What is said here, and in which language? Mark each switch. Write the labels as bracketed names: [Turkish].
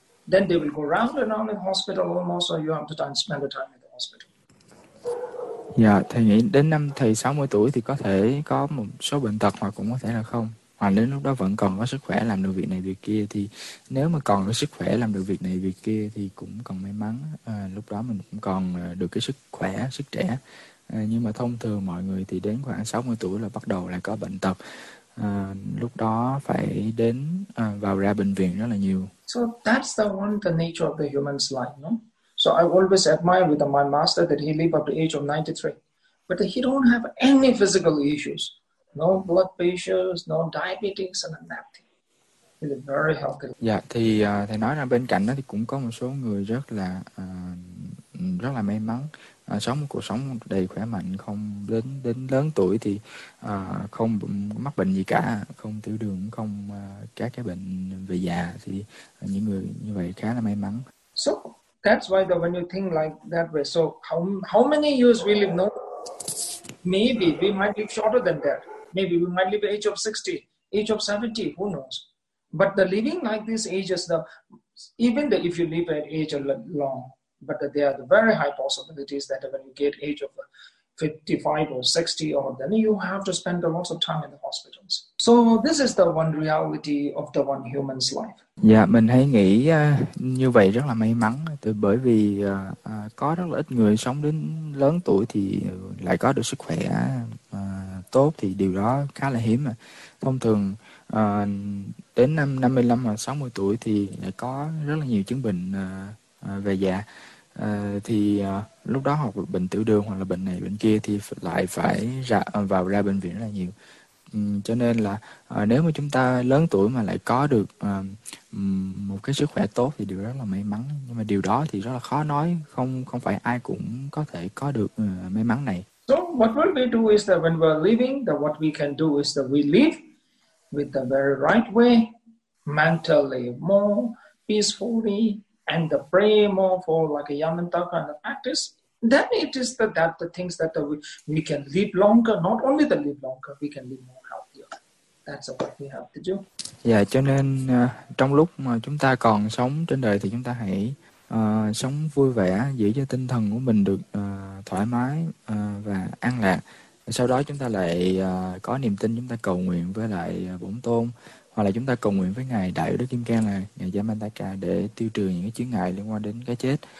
[English] Then they will go round and round in the hospital almost, so you have to time, spend the time in the hospital. [Vietnamese] Dạ, thầy nghĩ đến năm thầy 60 tuổi thì có thể có một số bệnh tật, hoặc cũng có thể là không. Hoặc đến lúc đó vẫn còn có sức khỏe làm được việc này việc kia, thì nếu mà còn có sức khỏe làm được việc này việc kia thì cũng còn may mắn. Lúc đó mình cũng còn được cái sức khỏe, sức trẻ. Nhưng mà thông thường mọi người thì đến khoảng 60 tuổi là bắt đầu lại có bệnh tật. Lúc đó phải đến vào ra bệnh viện rất là nhiều. [English] So that's the one, the nature of the human's life, no? So I always admire with my master that he lived up to age of 93. But he don't have any physical issues. No blood pressures, no diabetes, and nothing. He lived very healthy. [Vietnamese] Dạ, thì thầy nói rằng bên cạnh đó thì cũng có một số người rất là may mắn, sống một cuộc sống đầy khỏe mạnh, không đến đến lớn tuổi thì không mắc bệnh gì cả, không tiểu đường, không các cái bệnh về già, thì những người như vậy khá là may mắn. [English] So that's why the when you think like that way. So how many years we live? No, maybe we might live shorter than that. Maybe we might live at age of 60, age of 70. Who knows? But the living like these ages, the even the, if you live at age of long, but the, there are the very high possibilities that when you get age of 55 or 60, or then you have to spend a lot of time in the hospitals. So this is the one reality of the one human's life. [Vietnamese] Dạ, mình hay nghĩ như vậy rất là may mắn, bởi vì có rất là ít người sống đến lớn tuổi thì lại có được sức khỏe tốt, thì điều đó khá là hiếm. Mà thông thường đến năm 55 hoặc 60 tuổi thì lại có rất là nhiều chứng bệnh về già, thì lúc đó hoặc bệnh tiểu đường hoặc là bệnh này bệnh kia thì lại phải vào ra bệnh viện rất là nhiều. Cho nên là nếu mà chúng ta lớn tuổi mà lại có được một cái sức khỏe tốt thì điều đó là may mắn. Nhưng mà điều đó thì rất là khó nói, không không phải ai cũng có thể có được may mắn này. [English] So what will we do is that when we're living, that what we can do is that we live with the very right way, mentally more peacefully, and the pray more for like a Yamantaka and the practice. Then it is that the things that we can live longer, not only the live longer, we can live more healthier. That's what we have to do. [Vietnamese] Dạ, cho nên trong lúc mà chúng ta còn sống trên đời thì chúng ta hãy sống vui vẻ, giữ cho tinh thần của mình được thoải mái và an lạc. Sau đó chúng ta lại có niềm tin, chúng ta cầu nguyện với lại Bổn Tôn, hoặc là chúng ta cầu nguyện với Ngài Đại Đức Kim Cang là Ngài Yamantaka, để tiêu trừ những cái chướng ngại liên quan đến cái chết.